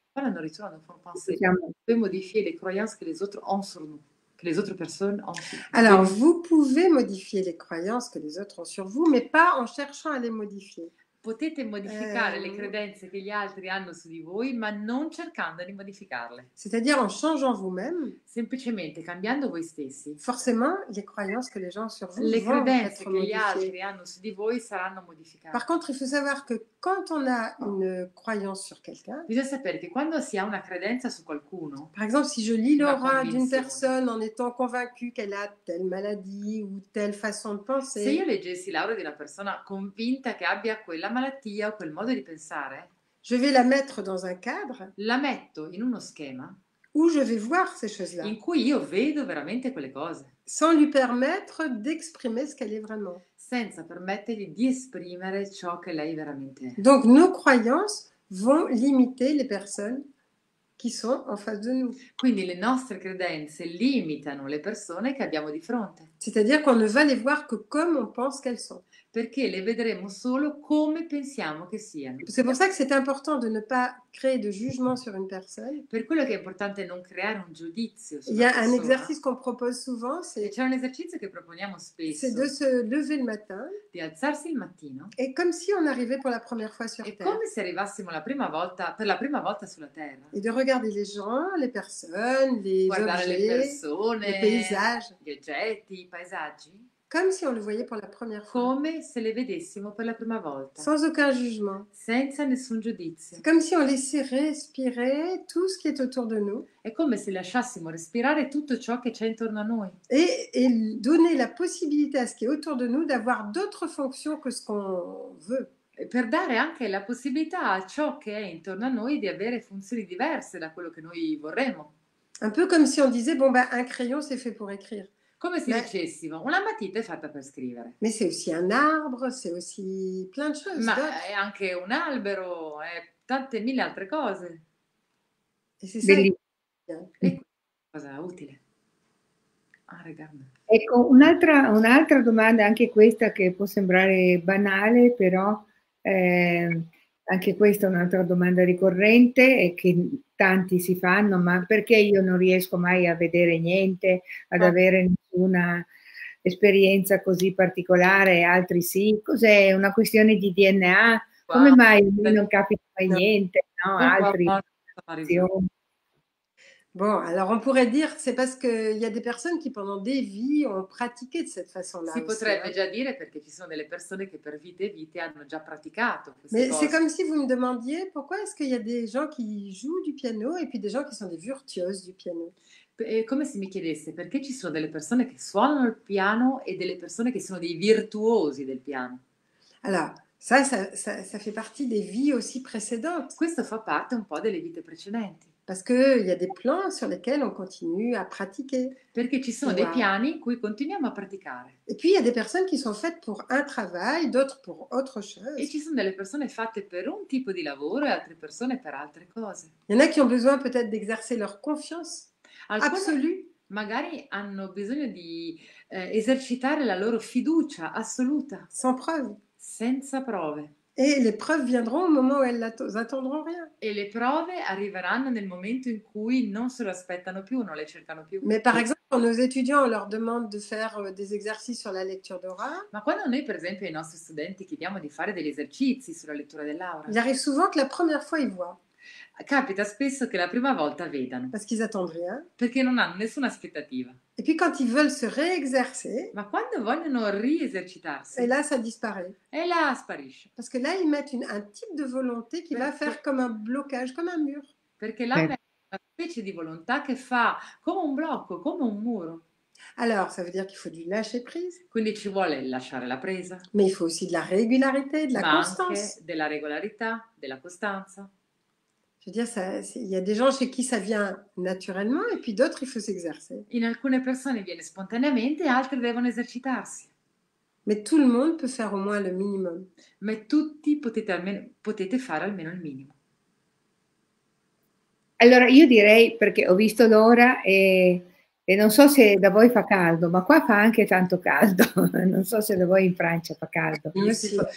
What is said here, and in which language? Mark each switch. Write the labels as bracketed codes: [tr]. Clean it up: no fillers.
[fr] Voilà, nous retournons à nos formes pensées. [it] Diciamo. [fr] Vous pouvez modifier les croyances que les autres ont sur nous, que les autres personnes ont sur Alors, nous. vous pouvez modifier les croyances que les autres ont sur vous, mais pas en cherchant à les modifier. [it] Potete modificare le credenze che gli altri hanno su di voi, ma non cercando di modificarle. [fr] C'est-à-dire en changeant vous-même, [it] Semplicemente cambiando voi stessi. [fr] Le forcément, les croyances que les gens sur vous vont [it] credenze [fr] être [it] che gli altri [fr] modifiées. [it] hanno su di voi saranno [fr] Par [it] modificate. [fr] contre, il faut savoir que quand on a une croyance sur quelqu'un, [it] Bisogna sapere che quando si ha una credenza su qualcuno, [fr] par exemple, si je lis [it] una [fr] l'aura d'une [it] convinzione, [fr] personne en étant convaincue qu'elle a telle maladie ou telle façon de [it] se io [fr] penser, [it] leggessi l'aura di una persona convinta che abbia quella malattia o quel modo di pensare, [fr] Je vais la mettre dans un cadre. [it] La metto in uno schema. [fr] Où je vais voir ces choses-là. [it] In cui io vedo veramente quelle cose. [fr] Sans lui permettre d'exprimer ce qu'elle est vraiment. [it] Senza permettergli di esprimere ciò che lei veramente è. [fr] Donc nos croyances vont limiter les personnes qui sont en face de nous. [it] Quindi le nostre credenze limitano le persone che abbiamo di fronte. [fr] C'est-à-dire qu'on ne va les voir que comme on pense qu'elles sont. [it] Perché le vedremo solo come pensiamo che siano. [fr] C'est pour ça que c'est important de ne pas créer de jugement sur une personne. [it] Per quello che è importante non creare un giudizio. [fr] Il y a un exercice qu'on propose souvent, c'est. [it] E c'è un esercizio che proponiamo spesso. [fr] C'est de se lever le matin. [it] Di alzarsi il mattino. [fr] Et comme si on arrivait pour la première fois sur Terre. [it] E come se arrivassimo la prima volta, per la prima volta sulla Terra. [fr] Et de regarder les gens, les personnes, les [it] guardare [fr] objets. [it] Guardare le persone. [fr] Les paysages. [it] Gli oggetti, i paesaggi. [fr] Comme si on le voyait pour la première fois. [it] Come se le vedessimo per la prima volta. [fr] Sans aucun jugement. [it] Senza nessun giudizio. [fr] Comme si on laissait respirer tout ce qui est autour de nous. [it] È come se lasciassimo respirare tutto ciò che c'è intorno a noi. [fr] Et donner la possibilité à ce qui est autour de nous d'avoir d'autres fonctions que ce qu'on veut. [it] Per dare anche la possibilità a ciò che è intorno a noi di avere funzioni diverse da quello che noi vorremmo. [fr] Un peu comme si on disait bon ben un crayon c'est fait pour écrire. [it] Come se dicessimo, una matita è fatta per scrivere. [fr] Ma c'è aussi un arbre, c'è aussi plein de choses. [it] Ma è anche un albero, è tante mille altre cose. E se sei... cosa utile. Ah, regarda. Ecco, un'altra domanda, anche questa che può sembrare banale, però anche questa è un'altra domanda ricorrente e che tanti si fanno, ma perché io non riesco mai a vedere niente, ad avere nessuna esperienza così particolare, altri sì? Cos'è? Una questione di DNA? Come mai a me non capita mai niente, no? Altri? [fr] Bon, alors on pourrait dire c'est parce que il y a des personnes qui pendant des vies ont pratiqué de cette façon-là. [it] Si potrebbe già dire perché ci sono delle persone che per vite e vite hanno già praticato queste [fr] Mais [it] cose. [fr] C'est comme si vous me demandiez pourquoi est-ce qu'il y a des gens qui jouent du piano et puis des gens qui sont des virtuoses du piano. [it] È come se mi chiedesse perché ci sono delle persone che suonano il piano e delle persone che sono dei virtuosi del piano. [fr] Alors, ça fait partie des vies aussi précédentes. [it] Questo fa parte un po' delle vite precedenti. [fr] Parce qu'il y a des plans sur lesquels on continue à pratiquer. [it] Perché ci sono dei piani in cui continuiamo a praticare. [fr] Et puis il y a des personnes qui sont faites pour un travail, d'autres pour autre chose. [it] E ci sono delle persone fatte per un tipo di lavoro e altre persone per altre cose. [fr] Il y en a qui ont besoin peut-être d'exercer leur confiance absolue. [it] Magari hanno bisogno di esercitare la loro fiducia assoluta. [fr] Sans preuve. [it] Senza prove. [fr] Et les preuves viendront au moment où elles n'attendront rien. [it] E le prove arriveranno nel momento in cui non se lo aspettano più, non le cercano più. [fr] Mais par exemple, quand nos étudiants leur demandent de faire des exercices sur la lecture d'aura. [it] Ma quando noi, per esempio, ai nostri studenti chiediamo di fare degli esercizi sulla lettura dell'aura. [fr] Il arrive souvent que la première fois ils voient. [it] Capita spesso che la prima volta vedano. [fr] Parce qu'ils attendent rien. [it] Perché non hanno nessuna aspettativa. [fr] Et puis quand ils veulent se réexercer. [it] Ma quando vogliono riesercitarsi. [fr] Et là ça disparaît. [it] E là sparisce. [fr] Parce que là ils mettent un type de volonté qui va faire comme un blocage, comme un mur. [it] Perché là mettono una specie di volontà che fa come un blocco, come un muro. [fr] Alors ça veut dire qu'il faut du lâcher prise. [it] Quindi ci vuole lasciare la presa. [fr] Mais il faut aussi de la régularité, de la constance. [it] Anche della regolarità, della costanza. [fr] Je veux dire, il y a des gens chez qui ça vient naturellement et puis d'autres, il faut s'exercer. [it] In alcune persone viene spontaneamente, altre devono esercitarsi. [fr] Mais tout le monde peut faire au moins le minimum. [it] Mais tutti potete fare almeno il minimo. Allora, io direi, perché ho visto l'ora e non so se da voi fa caldo, ma qua fa anche tanto caldo. Non so se da voi in Francia fa caldo. Io sì.